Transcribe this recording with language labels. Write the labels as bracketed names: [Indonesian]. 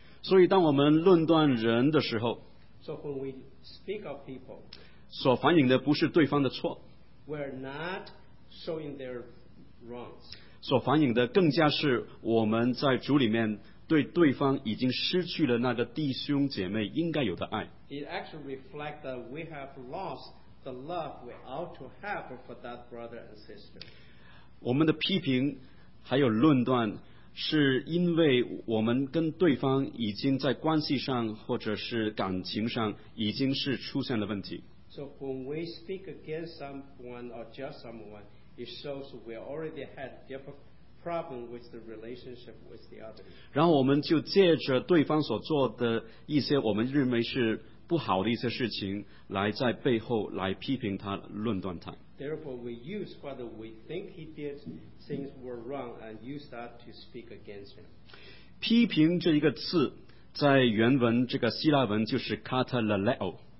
[Chinese] 所以当我们论断人的时候， [English] so when we speak of people, [Chinese] 所反映的不是对方的错， [English] we're not showing their wrongs. [Chinese] 所反映的更加是我们在主里面对对方已经失去了那个弟兄姐妹应该有的爱。 [English] It actually reflects that we have lost the love we ought to have for that brother and sister. [Chinese] 我们的批评还有论断是因为我们跟对方已经在关系上或者是感情上已经是出现了问题。 [English] So when we speak against someone or judge someone, it shows we already had difficult problem with the relationship with the other. [Chinese] 然后我们就借着对方所做的一些我们认为是不好的一些事情，来在背后来批评他、论断他。 [English] Therefore, we use what we think he did, things were wrong, and use that to speak against him. [Chinese] 批评这一个词，在原文这个希腊文就是 kataleleo。